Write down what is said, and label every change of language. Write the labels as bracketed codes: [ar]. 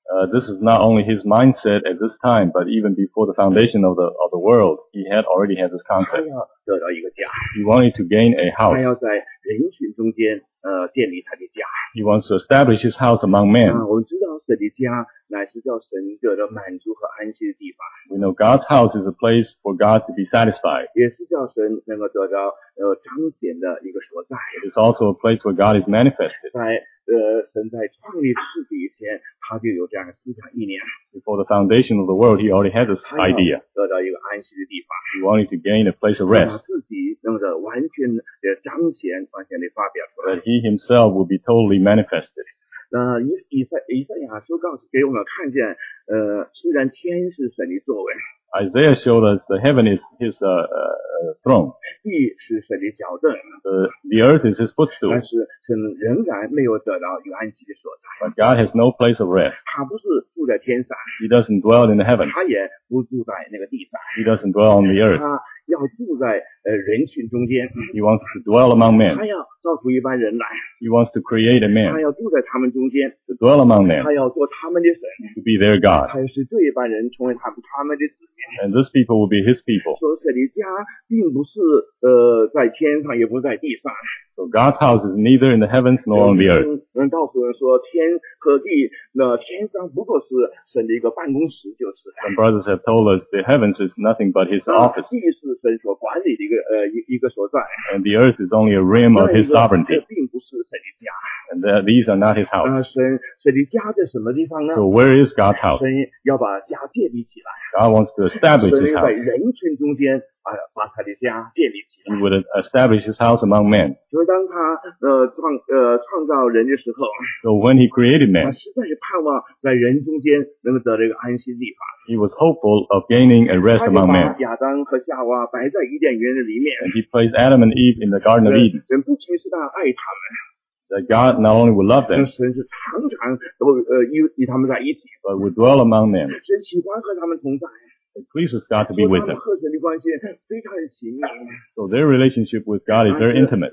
[en] This is not only his mindset at this time, but even before the foundation of the world, he had already had this concept. [zh] 他要得到一个家。 [en] He wanted to gain a house. [zh] 他要在人群中间建立他的家。 [en] He wants to establish his house among men. [zh] 我们知道神的家乃是叫神得到满足和安息的地方。 [en] We know God's house is a place for God to be satisfied. [zh] 也是叫神能够得到彰显的一个所在。 [en] It's also a place where God is manifested. [zh] 神在创立世界以前，他就有这样的思想意念。 [en] Before the foundation of the world, he already had this idea. [zh] 得到一个安息的地方。 [en] He wanted to gain a place of rest. [zh] 自己能够完全的彰显，完全的发表出来。 [en] That he himself would be totally manifested. [zh] 那以赛亚书告诉给我们看见，虽然天是神的座位。 [en] Isaiah showed us the heaven is his throne. [zh] 地是神的脚凳。 [en] The earth is his footstool. [zh] 但是神仍然没有得到一个安息的所在。 [en] But God has no place of rest. [zh] 他不是住在天上。 [en] He doesn't dwell in the heaven. [zh] 他也不住在那个地上。 [en] He doesn't dwell on the earth. [zh] 他要住在人群中间。 [en] He wants to dwell among men. [zh] 他要造出一般人来。 [en] He wants to create a man. [zh] 他要住在他们中间。 [en] To dwell among them. [zh] 他要做他们的神。 [en] To be their God. [zh] 他要使这一般人成为他们的子民。 [en] And this people will be his people. [zh] 所设的家并不是在天上，也不是在地上。 [en] So God's house is neither in the heavens nor on the earth. [zh] 能告诉人说天和地，那天上不过是神的一个办公室，就是。 [en] Some brothers have told us the heavens is nothing but his office. [zh] 地是神所管理的一个所在。 [en] And the earth is only a realm of his sovereignty. [zh] 并不是设的家。 [en] These are not his house. [zh] 神的家在什么地方呢? [en] So where is God's house? [zh] 神要把家建立起来。 [en] God wants to establish his house. [zh] 人群中间, 把他的家建立起来。 [en] He would establish his house among men. [zh] 所以当他, 创造人的时候, [en] so when he created man, [zh] 他实在是盼望在人中间能得这个安息立法。 [en] He was hopeful of gaining a rest among men. [zh] 亚当和夏娃, 摆在伊甸园的里面。 [en] And he placed Adam and Eve in the Garden of Eden. [zh] 人不仅是他爱他们。 [en] That God not only would love them, [zh] 神是常常都, 与他们在一起, [en] but would dwell among them. [zh] 神喜欢和他们同在, [en] it pleases God to be with them. [zh] 和神的关系非常的紧密, [en] so their relationship with God is very intimate.